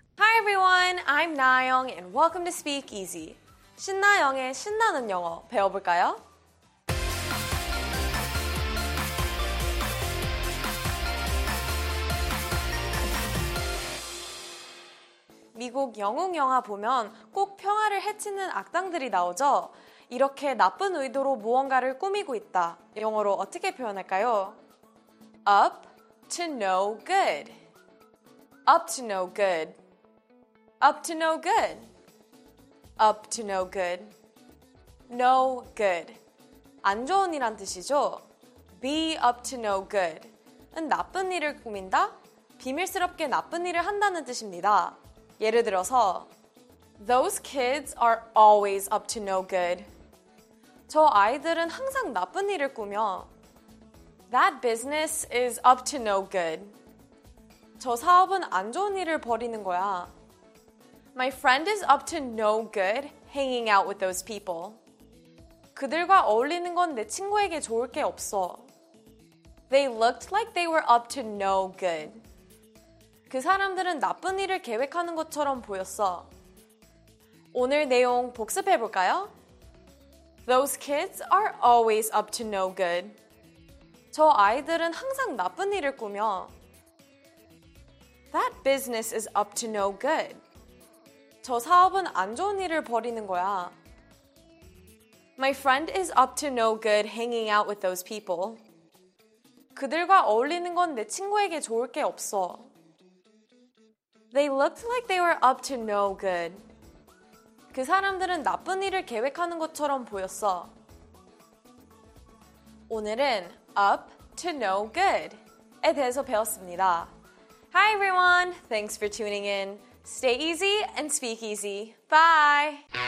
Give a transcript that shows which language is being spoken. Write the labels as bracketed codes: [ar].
[en] Hi everyone, I'm Nayoung and welcome to Speak Easy. [ko] 신나영의 신나는 영어 배워볼까요? 미국 영웅 영화 보면 꼭 평화를 해치는 악당들이 나오죠? 이렇게 나쁜 의도로 무언가를 꾸미고 있다. 영어로 어떻게 표현할까요? [en] Up to no good. Up to no good. Up to no good. Up to no good. No good. [ko] 안 좋은이란 뜻이죠? [en] Be up to no good. [ko] 은 나쁜 일을 꾸민다? 비밀스럽게 나쁜 일을 한다는 뜻입니다. 예를 들어서 [en] Those kids are always up to no good. [ko] 저 아이들은 항상 나쁜 일을 꾸며 [en] That business is up to no good. [ko] 저 사업은 안 좋은 일을 벌이는 거야. [en] My friend is up to no good hanging out with those people. [ko] 그들과 어울리는 건 내 친구에게 좋을 게 없어. [en] They looked like they were up to no good. [ko] 그 사람들은 나쁜 일을 계획하는 것처럼 보였어. 오늘 내용 복습해 볼까요? [en] Those kids are always up to no good. [ko] 저 아이들은 항상 나쁜 일을 꾸며. [en] That business is up to no good. [ko] 저 사업은 안 좋은 일을 벌이는 거야. [en] My friend is up to no good hanging out with those people. [ko] 그들과 어울리는 건 내 친구에게 좋을 게 없어. [en] They looked like they were up to no good. [ko] 그 사람들은 나쁜 일을 계획하는 것처럼 보였어. 오늘은 [en] up to no good [ko] 에 대해서 배웠습니다. [en] Hi everyone, thanks for tuning in. Stay easy and speak easy. Bye!